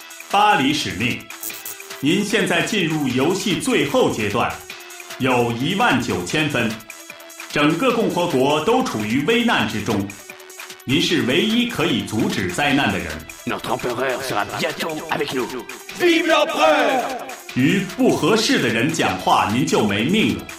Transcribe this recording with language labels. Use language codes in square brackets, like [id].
[zh] 巴黎使命，您现在进入游戏最后阶段，有19000分，整个共和国都处于危难之中，您是唯一可以阻止灾难的人。 [fr] Notre empereur sera bientôt avec nous. Vive l'empereur! [zh] 与不合适的人讲话，您就没命了。